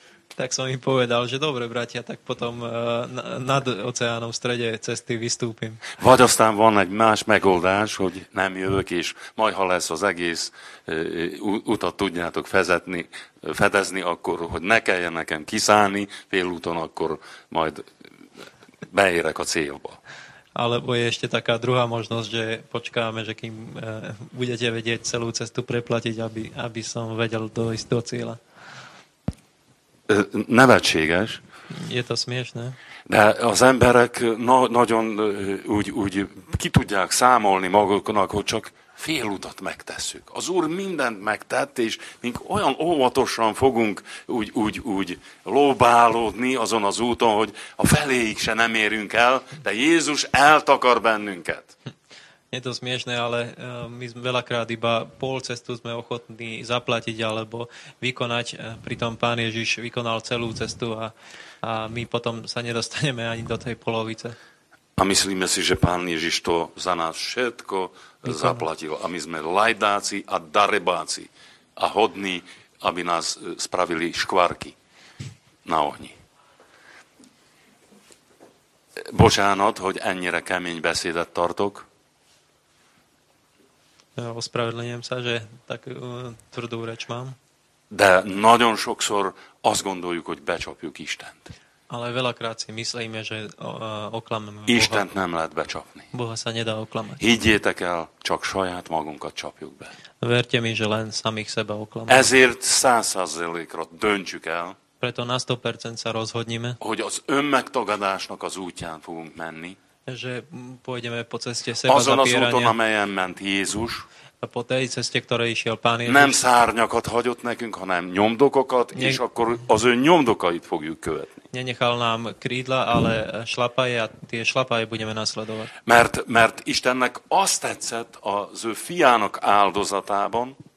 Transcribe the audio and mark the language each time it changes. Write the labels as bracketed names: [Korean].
[Slovak] tak som im povedal, že dobre, bratia, tak potom nad oceánom v strede cesty vystúpim. [Hungarian] Vagy aztán van egy más megoldás, hogy nem jövök, és majd, ha lesz az egész utat tudjátok fedezni, akkor, hogy ne kelljen nekem kiszállni félúton, akkor majd beérek a célba. [Slovak] Alebo je ešte taká druhá možnosť, že počkáme, že kým budete vedieť celú cestu preplatiť, aby som vedel dojsť do cieľa. [Hungarian] Nevetséges. [Slovak] Je to smiešné. [Hungarian] De az emberek nagyon úgy ki tudják számolni maguknak, hogy csak fél utat megtesszük. Az Úr mindent megtett, és mink olyan óvatosan fogunk úgy lóbálódni azon az úton, hogy a feléig se nem érünk el, de Jézus eltakar bennünket. [Slovak] Je to smiešné, ale my sme veľakrát iba pol cestu sme ochotní zaplatiť alebo vykonať. Pritom Pán Ježiš vykonal celú cestu a my potom sa nedostaneme ani do tej polovice. A myslíme si, že Pán Ježiš to za nás všetko zaplatil. A my sme lajdáci a darebáci a hodní, aby nás spravili škvárky na ohni. [Hungarian] Bočánat, hogy ennyire kemény beszédet tartok. [Slovak] Ospravedlňujem sa, že tak tvrdú reč mám. [Hungarian] De nagyon sokszor azt gondoljuk, hogy becsapjuk Istent. [Slovak] Ale veľakrát si myslíme, že oklameme Boha. [Hungarian] Istent nem lehet becsapni. [Slovak] Boha sa nedá oklamať. [Hungarian] Higgyétek el, csak saját magunkat csapjuk be. [Slovak] Verte mi, že len samých seba oklameme. [Hungarian] Ezért 100%-ra döntjük el. [Slovak] Preto na 100% sa rozhodnime. [Hungarian] Hogy az önmegtagadásnak az útján fogunk menni. [Slovak] Že pôjdeme po ceste seba zapierania. [Hungarian] Azon az úton, amelyen ment Jézus. [Slovak] A po tej ceste, ktoré išiel Pán Ježiš. [Hungarian] Nem szárnyakat hagyott nekünk, hanem nyomdokokat, és akkor az ön nyomdokait fogjuk követni. [Slovak] Nenechal nám krídla, ale šlapaje a tie šlapaje budeme nasledovať. [Hungarian] Mert Istennek azt tetszett az ő fiának áldozatában.